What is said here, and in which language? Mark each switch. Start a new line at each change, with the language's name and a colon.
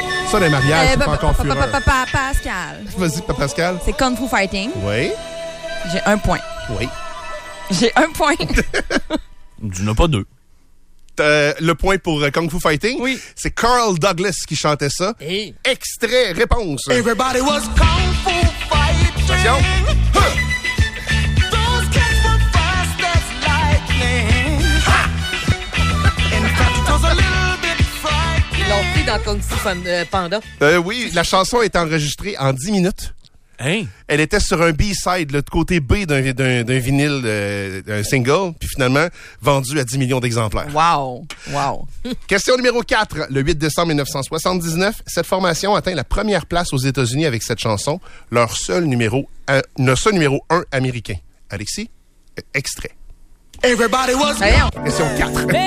French: Ça, les mariages, c'est pas encore fureur. Pascal. Vas-y, Papa Pascal. C'est Kung Fu Fighting. Oui. J'ai 1 point. Oui. J'ai 1 point. Tu n'as pas 2. Le point pour Kung Fu Fighting, oui. C'est Carl Douglas qui chantait ça. Hey. Extrait, réponse.
English: Everybody was Kung Fu Fighting. Attention. Those kids were fast as lightning. Ha! And was a little bit frightening.
French: Ils l'ont pris dans Kung Fu Panda. Oui, la chanson est enregistrée en 10 minutes. Hein? Elle était sur un B-side, le côté B d'un vinyle, d'un single, puis finalement vendu à 10 millions d'exemplaires. Wow! Wow! Question numéro 4. Le 8 décembre 1979, cette formation atteint la première place aux États-Unis avec cette chanson, leur seul numéro 1 américain. Alexis, extrait.
English: Everybody was Question 4.